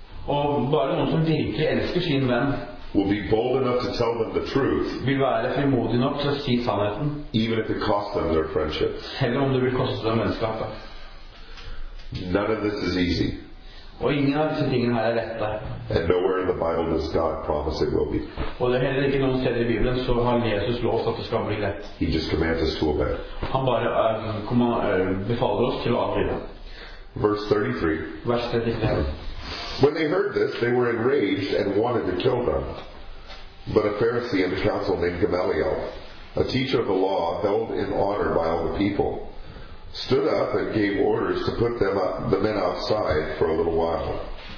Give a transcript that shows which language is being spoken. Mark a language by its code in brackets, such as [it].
[no] Og bare noen som virkelig elsker sin venn. [en] Will be bold enough to tell them the truth, [no] vil være frimodig nok til å si sannheten, [en] even if it costs them their friendship. [no] Selv om det vil koste dem vennskapet. [en] None of this is easy. [no] Og ingen av disse tingene her lette. [en] And nowhere in the Bible does God promise it will be. [no] Og det heller ikke noen steder i Bibelen så har Jesus lovt at det skal bli lett. [en] He just commands us to obey. [no] Han bare befaler oss til å adlyde. [en] Verse 33. When they heard this, they were enraged and wanted to kill them. But a Pharisee in the council named Gamaliel, a teacher of the law held in honor by all the people, stood up and gave orders to put them up, the men outside for a little while.